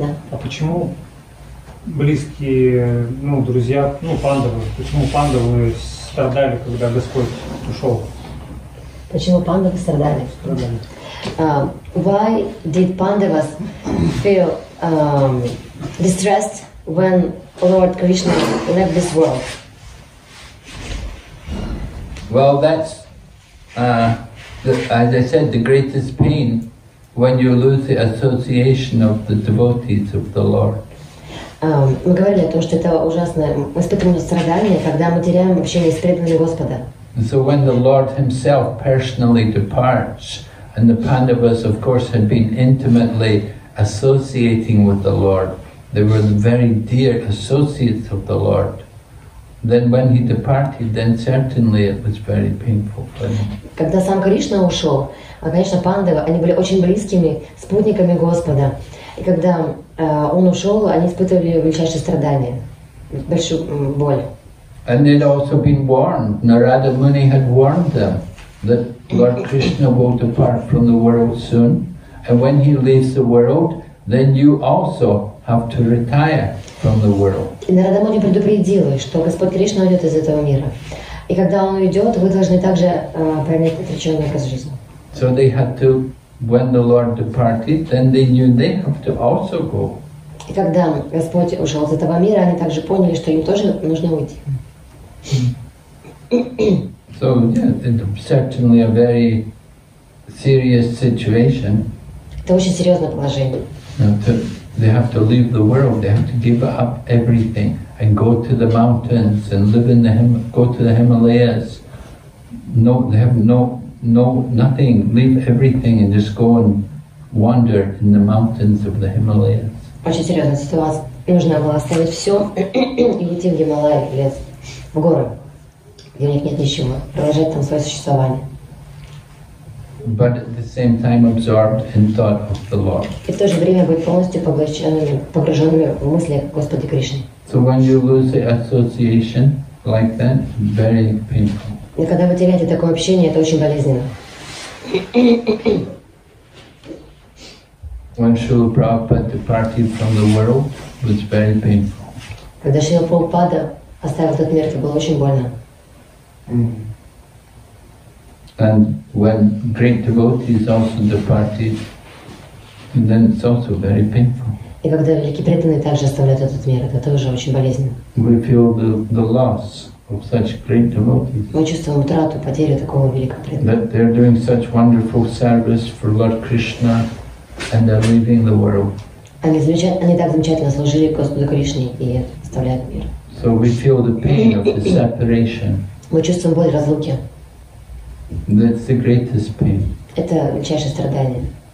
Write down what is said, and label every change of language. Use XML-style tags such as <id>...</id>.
<ru>А почему близкие, ну, друзья, ну, пандавы, почему пандавы страдали, когда Господь ушел? Почему пандавы страдали?</ru> <en>Why did Pandavas feel distressed when Lord Krishna left this world? Well, that's, as I said, the greatest pain when you lose the association of the devotees of the Lord.</en> <ru>Мы говорили о том, что это ужасное, мы испытываем страдания, когда мы теряем общение с преданными Господа.</ru> <en>So when the Lord himself personally departs, and the Pandavas, of course, had been intimately associating with the Lord, they were the very dear associates of the Lord. Then when he departed, then certainly it was very painful for them.</en> <ru>Когда сам Кришна ушел, конечно, пандавы, они были очень близкими спутниками Господа. И когда он ушел, они испытывали величайшие страдания, большую боль.</ru> <en>And they'd also been warned. Narada Muni had warned them that Lord Krishna will depart from the world soon, and when he leaves the world, then you also have to retire.</en> <ru>И Нарада Муни предупредил, что Господь Кришна уйдет из этого мира. И когда Он уйдет, вы должны также принять отреченный образ жизни.</ru> <en>So they had to, when the Lord departed, then they knew they have to also go.</en> <ru>И когда Господь ушел из этого мира, они также поняли, что им тоже нужно уйти.</ru> <en>So, yeah, it's certainly a very serious situation.</en> <ru>Это очень серьезное положение.</ru> <en>They have to leave the world. They have to give up everything and go to the mountains and live in the go to the Himalayas. No, they have nothing. Leave everything and just go and wander in the mountains of the Himalayas.</en> <ru>Очень серьезная ситуация. Нужно было оставить все и уйти в Гималаи, в лес, в горы, где у них нет ничего, продолжать там свое существование.</ru> <en>But at the same time absorbed in thought of the Lord.</en> <ru>И в то же время быть полностью погруженными в мысли Господа Кришны.</ru> <en>So when you lose the association like that, very painful.</en> <ru>И когда вы теряете такое общение, это очень болезненно.</ru> <en>When Srila Prabhupada departed from the world, it was very painful.</en> <ru>Когда Шрила Прабхупада оставил этот мир, это было очень больно.</ru> <en>And when great devotees also departed, then it's also very painful.</en> <ru>И когда великие преданные также оставляют этот мир, это тоже очень болезненно.</ru> <en>We feel the loss of such great devotees.</en> <ru>Мы чувствуем утрату, потерю такого великого преданного.</ru> <en>That they're doing such wonderful service for Lord Krishna, and they're leaving the world.</en> <ru>Они так замечательно служили Господу Кришне и оставляют мир.</ru> <en>So we feel the pain of the separation.</en> <ru>Мы чувствуем боль разлуки.</ru> <en>That's the greatest pain.</en> <ru>Это величайшее страдание.</ru>